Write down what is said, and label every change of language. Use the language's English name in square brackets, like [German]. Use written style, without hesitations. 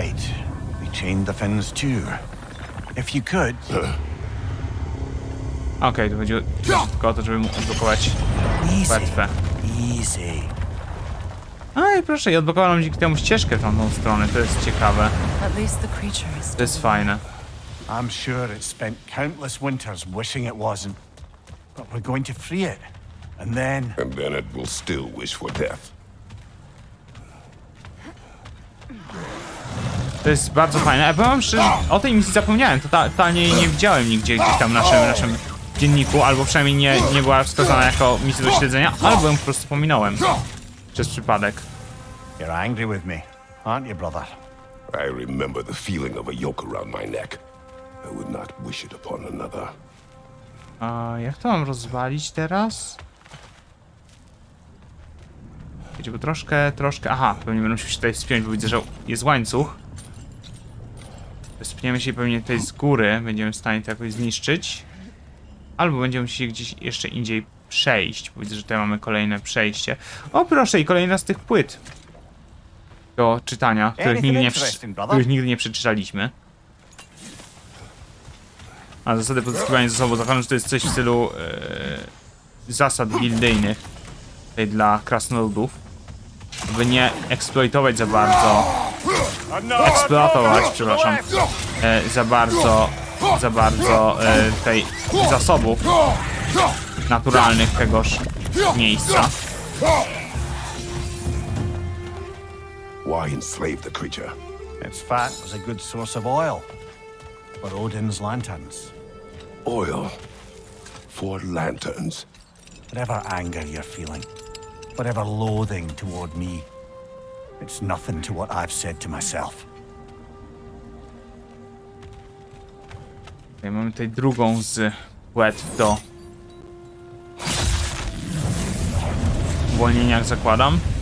[English] Right. We chained the fins too. If you could. [Polish] Okej, to chodziło tylko o to, żeby mógł odblokować płetwę. [English] Easy. [Polish] Aj, proszę, i odblokowano dzięki temu ścieżkę w tamtą stronę, to jest ciekawe. To jest fajne. [English] I'm sure it spent countless winters wishing it wasn't. But we're going to free it. And then. And then it will still wish for death. [Polish] To jest bardzo fajne. A powiem wam szczerze, o tej misji zapomniałem. Totalnie jej nie widziałem nigdzie gdzieś tam w naszym dzienniku. Albo przynajmniej nie była wskazana jako misja do śledzenia, albo ją po prostu pominąłem. Przez przypadek. [English] You're angry with me, aren't you, brother? I remember the feeling of a yoke around my neck. I would not wish it upon another. [Polish] A jak to mam rozwalić teraz? Wiecie, bo troszkę. Aha, pewnie będę musiał się tutaj wspiąć, bo widzę, że jest łańcuch. Wspniemy się pewnie tutaj z góry, będziemy w stanie to jakoś zniszczyć. Albo będziemy musieli gdzieś jeszcze indziej przejść, bo widzę, że tutaj mamy kolejne przejście. O proszę, i kolejna z tych płyt do czytania, których nigdy nie przeczytaliśmy. A zasady pozyskiwania ze sobą, zakładam, że to jest coś w stylu zasad gildyjnych tutaj dla krasnoludów, by nie eksploitować za bardzo, eksploatować, przepraszam, za bardzo tej zasobów naturalnych tegoż miejsca. [English] Why enslave the creature? Its fat was a good source of oil for Odin's lanterns. Oil for lanterns. Whatever anger you're feeling, whatever loathing toward me, it's nothing to what I've said to myself. [Polish] Ja mam tutaj drugą z płetw do uwolnienia, jak zakładam.